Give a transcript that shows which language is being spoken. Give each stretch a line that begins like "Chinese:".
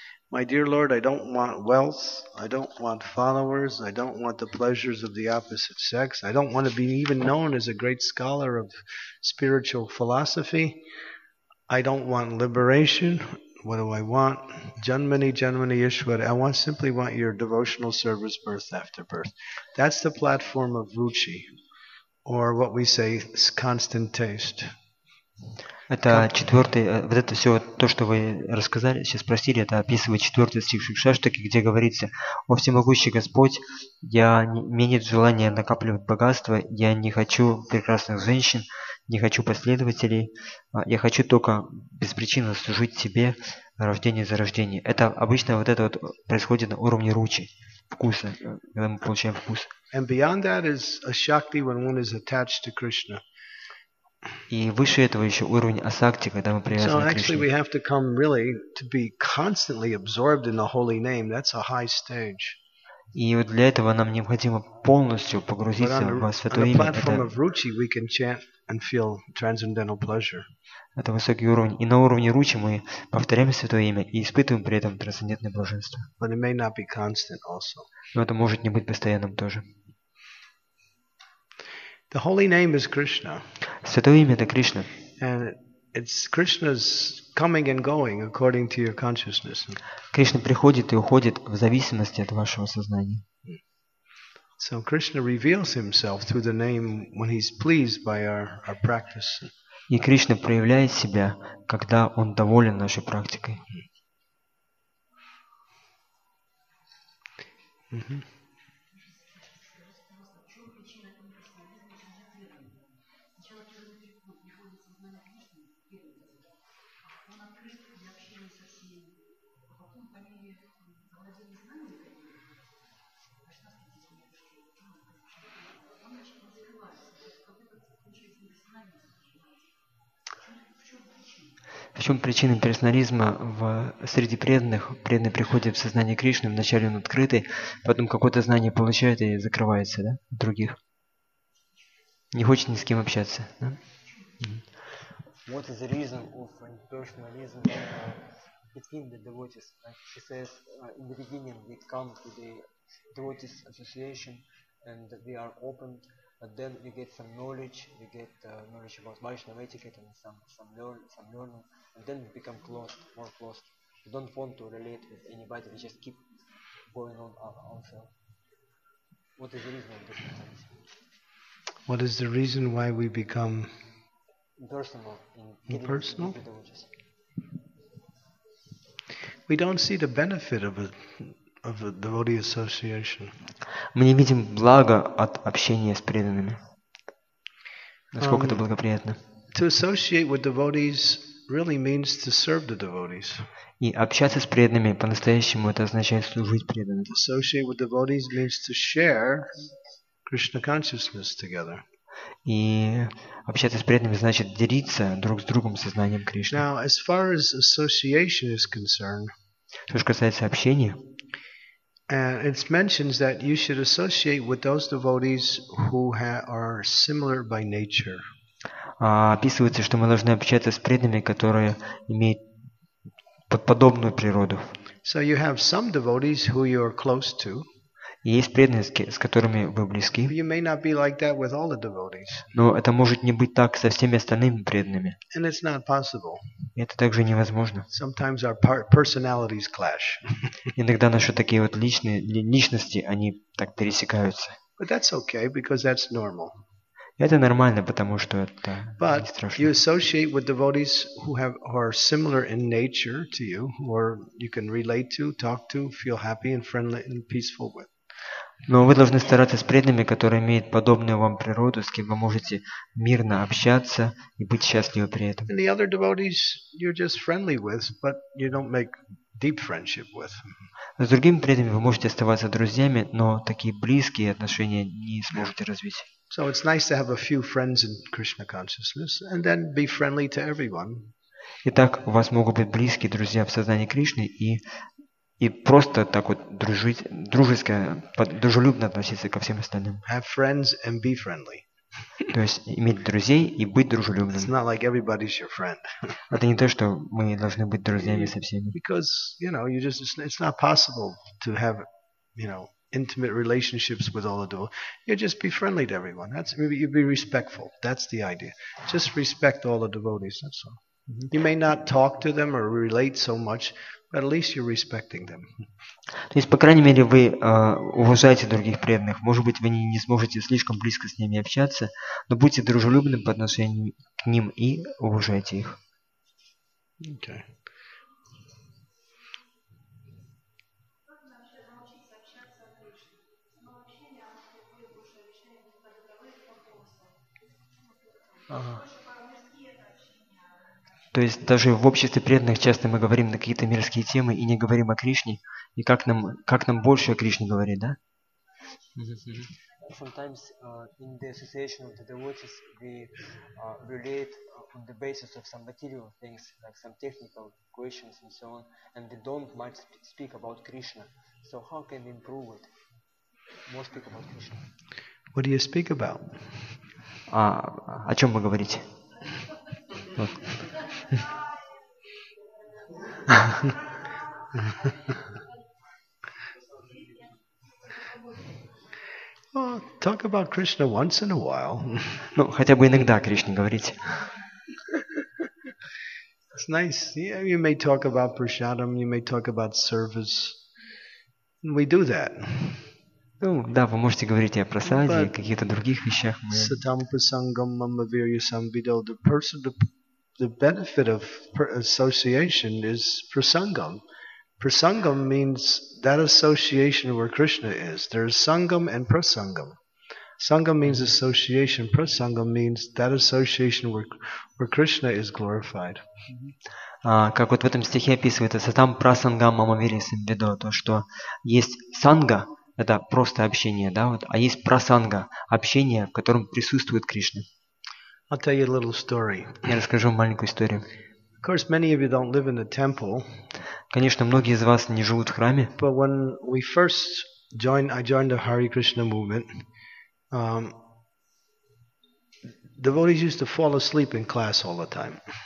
English: My dear Lord, I don't want wealth, I don't want followers, I don't want the pleasures of the opposite sex, I don't want to be even known as a great scholar of spiritual philosophy, I don't want liberation, what do I want?
Sanskrit: Janmani, Janmani, Ishwar,
English: I want, simply want your devotional service birth after birth. That's the platform of Ruchi, or what we say, constant taste.
Russian: Это четвертый, вот это все то, что вы рассказали, сейчас спросили, это описывает четвертый стих Шикшаштаки, где говорится: «О всемогущий Господь, я не имею желания накапливать богатство, я не хочу прекрасных женщин, не хочу последователей, я хочу только беспричинно служить тебе рождение за рождение». Это обычно вот это вот происходит на уровне ручи, вкуса, когда мы получаем вкус.
English: And beyond that is a shakti when one is attached to Krishna.
Russian: И выше этого еще уровень асакти, когда мы привязаны к Кришне.
English: So actually we have to come really to be constantly absorbed in the holy name. That's a high stage.
Russian: И вот для этого нам необходимо полностью погрузиться в святое имя.
English: On the platform of Ruchi we can chant and feel transcendental pleasure.
Russian: Это высокий уровень. И на уровне Ручи мы повторяем святое имя и испытываем при этом трансцендентное блаженство.
English: But it may not be constant also.
Russian: Но это может не быть постоянным тоже.
English: The holy name is Krishna.
Russian: Святое имя – это Кришна.
English: And it's Krishna's coming and going according to your consciousness.
Russian: Кришна приходит и уходит в зависимости от вашего сознания.
English: So Krishna reveals himself through the name when he's pleased by our practice.
Russian: И Кришна проявляет себя, когда он доволен нашей практикой. В чем причина персонализма в среди преданных? Преданный приходит в сознание Кришны, вначале он открытый, потом какое-то знание получает и закрывается, да, от других. Не хочет ни с кем общаться, да?
English: What is the reason of impersonalism between the devotees? She says, in the beginning we come to the devotees association and we are open. But then we get some knowledge, we get knowledge about Vaishnava etiquette and some learning, and then we become closed, more closed. We don't want to relate with anybody, we just keep going on ourselves. What is the reason of this? What is the reason why we become impersonal? Impersonal? We don't see the benefit of it. Of the devotee association.
Russian: Мы не видим блага от общения с преданными. Насколько это благоприятно.
English: To associate with devotees really means to serve the devotees.
Russian: И общаться с преданными по-настоящему это означает служить преданным.
English: To associate with devotees means to share Krishna consciousness together.
Russian: И общаться с преданными значит делиться друг с другом сознанием Кришны.
English: Now, as far as association is concerned.
Russian: То, что касается общения.
English: And it mentions that you should associate with those devotees who are similar by nature.
Russian: Описывается, что мы должны общаться с преданными, которые имеют подобную природу.
English: So you have some devotees who you are close to.
Russian: Есть преданные, с которыми вы близки.
English: You may not be like that with all the devotees.
Russian: Но это может не быть так со всеми остальными преданными.
English: And it's not possible.
Russian: Это также невозможно.
English: Sometimes our personalities clash.
Russian: Иногда наши такие вот личности, они так пересекаются.
English: But that's okay, because that's normal.
Russian: Это нормально, потому что это
English: But
Russian: не страшно.
English: But you associate with devotees who are similar in nature to you, or you can relate to, talk to, feel happy and friendly and peaceful with.
Russian: Но вы должны стараться с преданными, которые имеют подобную вам природу, с кем вы можете мирно общаться и быть счастливы при этом.
English: And the other devotees you're just friendly with, but you don't make deep friendship with.
Russian: С другими преданными вы можете оставаться друзьями, но такие близкие отношения не сможете развить.
English: So it's nice to have a few friends in Krishna consciousness and then be friendly to everyone.
Russian: Итак, у вас могут быть близкие друзья в сознании Кришны и просто так вот дружить, дружеское, дружелюбно относиться ко всем остальным.
English: Have friends and be friendly.
Russian: То есть иметь друзей и быть дружелюбным.
English: It's not like everybody's your friend.
Russian: Это не то, что мы должны быть друзьями со всеми.
English: Because, you know, you just, it's not possible to have, you know, intimate relationships with all the dual. You just be friendly to everyone. That's, you be respectful. That's the idea. Just respect all the devotees. That's all. You may not talk to them or relate so much, but at least you're respecting them.
Russian: То есть, по крайней мере, вы уважаете других преданных. Может быть, вы не сможете слишком близко с ними общаться, но будьте дружелюбным по отношению к ним и уважайте их.
English: Okay.
Russian: То есть даже в обществе преданных часто мы говорим на какие-то мирские темы и не говорим о Кришне. И как нам больше о Кришне говорить, да?
English: Sometimes in the association of the devotees we relate on the basis of some material things, like some technical questions and so on, and they don't much speak about Krishna. So how can we improve it? More speak about Krishna. What do you speak about?
Russian: О чем вы говорите?
English: Well, talk about Krishna once in a while.
Russian: Ну, хотя бы иногда о Кришне говорить.
English: It's nice. Yeah, you may talk about prasadam, you may talk about service. We do that.
Russian: Ну, да, вы можете говорить о прасаде, о каких-то других вещах.
Sanskrit: Сатам прасангам мамавирья самбидал.
English: The person, the benefit of association is prasangam. Prasangam means that association where Krishna is. There is sangam and prasangam. Sangam means association. Prasangam means that association where Krishna is glorified.
Russian: Как вот в этом стихе описывается,
Sanskrit: сатам прасангам мамавирья самбидал,
Russian: то, что есть санга, это просто общение, да, вот. А есть прасанга, общение, в котором присутствует Кришна.
English: I'll tell you a little story.
Russian: Я расскажу вам маленькую историю.
English: Of course, many of you don't live in a temple.
Russian: Конечно, многие из вас не живут в храме.
English: But when we first joined, I joined the Hare Krishna movement. Devotees used to fall asleep in class all the time.